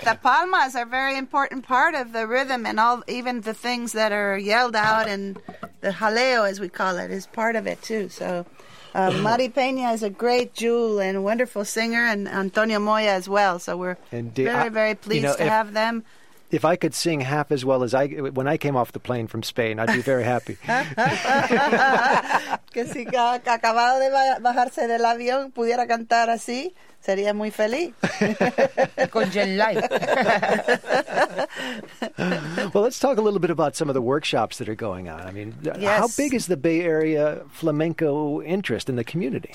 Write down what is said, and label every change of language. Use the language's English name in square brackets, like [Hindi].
[English] The palmas are a very important part of the rhythm, and all even the things that are yelled out, and the jaleo, as we call it, is part of it, too. So Mari Peña is a great jewel and wonderful singer, and Antonio Moya as well. So we're very, very pleased to have them. If I could sing half as well as I, when I came off the plane from Spain, I'd be very happy. [Spanish] Que si acababa de bajarse del avión pudiera cantar así, sería muy feliz. Con gel light. [English] Well, let's talk a little bit about some of the workshops that are going on. I mean, yes. How big is the Bay Area flamenco interest in the community?